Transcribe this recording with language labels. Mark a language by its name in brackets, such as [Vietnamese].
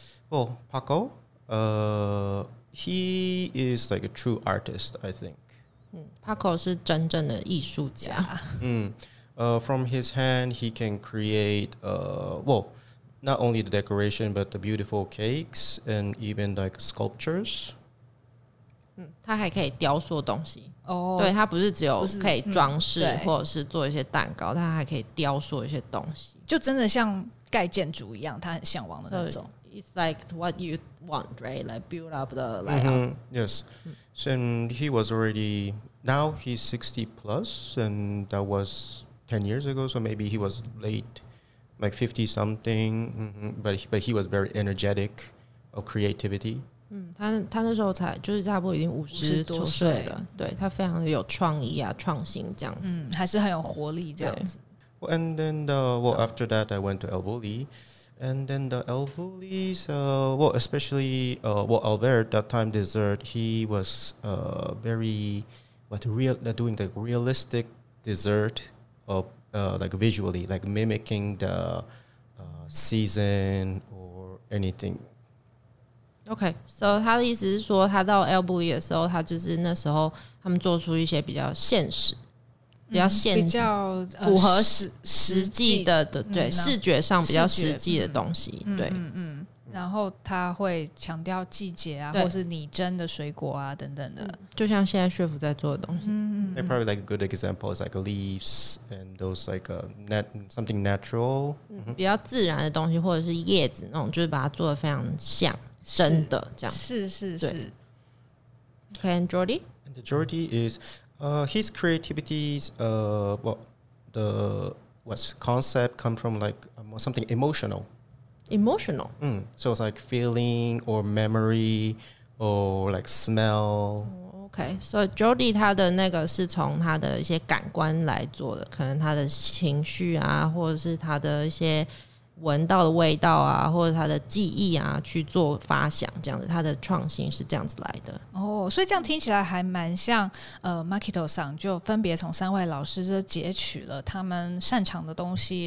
[English] Well, Paco, he is like a true artist, I think. [Chinese] Paco 是真正的艺术家 [English] From his hand, he can create, well, not only the decoration, but the beautiful cakes and even like sculptures. [Chinese] 他还可以雕塑东西。哦、oh, ，对，他不是只有可以装饰或者是做一些蛋糕，他还可以雕塑一些东西。就真的像盖建筑一样，他很向往的那种。 [English] So、it's like what you want, right? Like build up the layout.、 Yes. So he was already, now he's 60 plus, and that was... 10 years ago, so maybe he was late, like 50-something, but he was very energetic of creativity. [Chinese] 他那时候才就是差不多已经50多岁了，对，他非常的有创意啊，创新这样子，还是很有活力这样子。 [English] Well, and then, after that, I went to El Bulli, and then the El Bulli's, Albert, that time dessert, he was doing the realistic dessert,like visually, like mimicking the season or anything. [Chinese] OK， so 他的意思是说他到 El Bulli 的时候，他就是那时候他们做出一些比较现实比较现实、嗯、比较符合实际的对、嗯、视觉上比较实际的东西、嗯、对、嗯嗯嗯、然后他会强调季节啊或是拟真的水果啊等等的、嗯、就像现在 Chef 在做的东西、嗯嗯、 [English] I probably like a good example is like leaves and those like something natural、 [Chinese] 嗯、比较自然的东西或者是叶子那种就是把它做的非常像真的这样是是是 [English] OK and Jordi and Jordi isHis creativities, well, the what's concept come from like something emotional. Emotional? Mm. So it's like feeling or memory or like smell. [Chinese] Okay, so Jordi 他的那个是从他的一些感官来做的，可能他的情绪啊，或者是他的一些闻到的味道啊，或者他的记忆啊，去做发想这样子，他的创新是这样子来的。哦，所以这样听起来还蛮像Makito桑就分别从三位老师就截取了他们擅长的东西，